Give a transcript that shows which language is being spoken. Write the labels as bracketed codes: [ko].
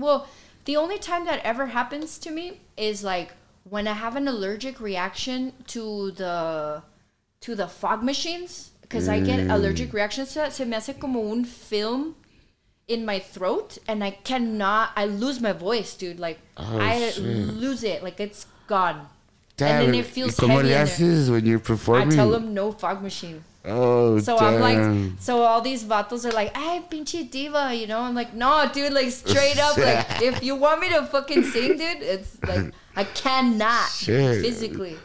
[en] Well, the only time that ever happens to me is, like, when I have an allergic reaction to the fog machines. Because I get allergic reactions to that. [es] Se me hace como un film [en] in my throat. And I cannot, I lose my voice, dude. Like, lose it. Like, it's gone. Damn. And then it feels heavy. [es] Como le haces [en] when you're performing? I tell them no fog machine. Oh, damn. I'm like, so all these vatos are like, [es] ay, pinche diva, [en] you know? I'm like, no, dude, like, straight up. Like, if you want me to fucking sing, dude, it's like, I cannot physically.